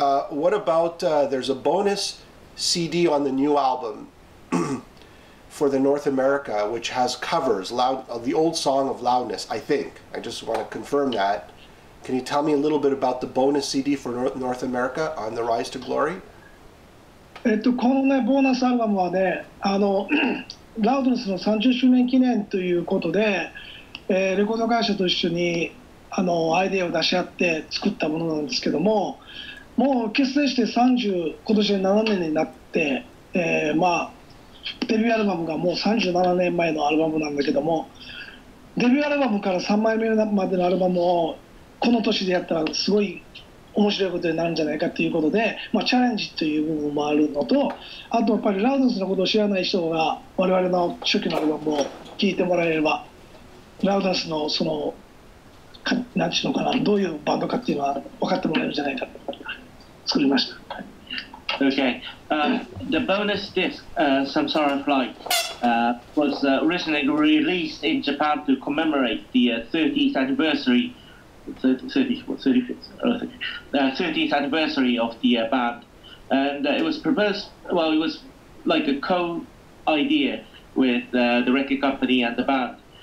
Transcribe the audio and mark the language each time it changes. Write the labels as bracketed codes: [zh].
[en] What about, there's a bonus CD on the new album for the North America, which has covers, the old song of Loudness, I think. I just want to confirm that. Can you tell me a little bit about the bonus CD for North America on the Rise to Glory? [ja] このね、ボーナスアルバムはね、あの、Loudness の30周年記念ということで、レコード会社と一緒にあのアイデアを出し合って作ったものなんですけども、もう結成して今年で7年になって、デビューアルバムがもう37年前のアルバムなんだけども、デビューアルバムから3枚目までのアルバムをこの年でやったらすごい面白いことになるんじゃないかということで、まあ、チャレンジという部分もあるのと、あとやっぱりラウドスのことを知らない人が我々の初期のアルバムを聴いてもらえれば、ラウドスのその何て言うのかな、どういうバンドかっていうのは分かってもらえるんじゃないかと作りました。 [en] Okay, the bonus disc, Samsara Flight, was originally released in Japan to commemorate the 30th anniversary of the band. And it was proposed, well, it was like a co-idea with the record company and the band.